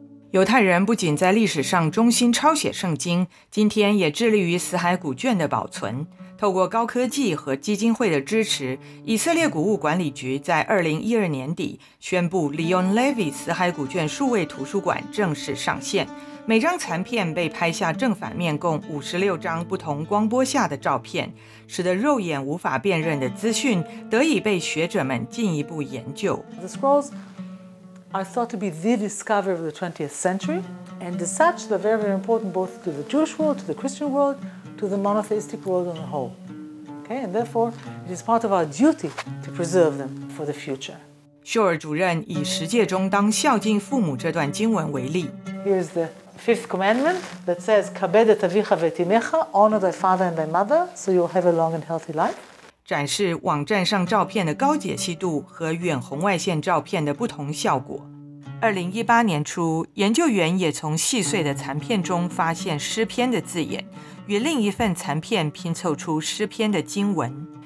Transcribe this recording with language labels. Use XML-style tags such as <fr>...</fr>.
<zh>犹太人不仅在历史上忠心抄写圣经今天也致力于死海古卷的保存透过高科技和基金会的支持以色列古物管理局在2012年底宣布 Leon Levy 死海古卷数位图书馆正式上线每张残片被拍下正反面共56张不同光波下的照片使得肉眼无法辨认的资讯得以被学者们进一步研究</zh> <en>The scrolls are thought to be the discovery of the 20th century and as such they're very very important both to the Jewish world, to the Christian world, to the monotheistic world on the whole. Okay, and therefore it is part of our duty to preserve them for the future.</en> <zh>秀尔主任以十诫中当孝敬父母这段经文为例</zh> <en>Here's the fifth commandment that says</en> <he>Kabed et avicha ve et imecha,</he> <en>honor thy father and thy mother so you'll have a long and healthy life.</en> <zh>展示网站上照片的高解析度和远红外线照片的不同效果。 2018年初，研究员也从细碎的残片中发现诗篇的字眼，与另一份残片拼凑出诗篇的经文。</zh>